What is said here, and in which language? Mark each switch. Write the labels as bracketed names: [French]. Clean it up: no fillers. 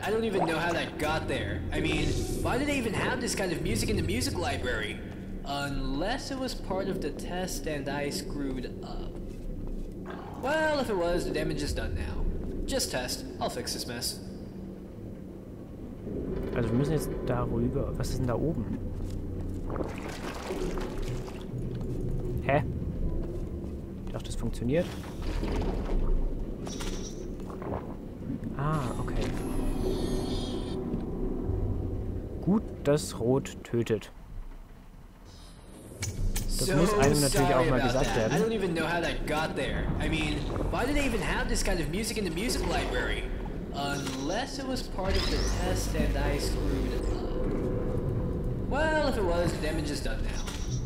[English] I don't even know how that got there. I mean, why do they even have this kind of music in the music library? Unless it was part of the test and I screwed up. Well, if it was, the damage is done now. Just test. I'll fix this mess. [German] Also wir müssen jetzt darüber. Was ist denn da oben? Hä? Ich dachte, es funktioniert. Ah, okay. Gut, dass Rot tötet. Das muss einem natürlich auch mal gesagt werden. [English] I don't even know how that got there. I mean, why do they even have this kind of music in the music library? Unless it was part of the test and I screwed it up. Well, if it was, the damage is done now.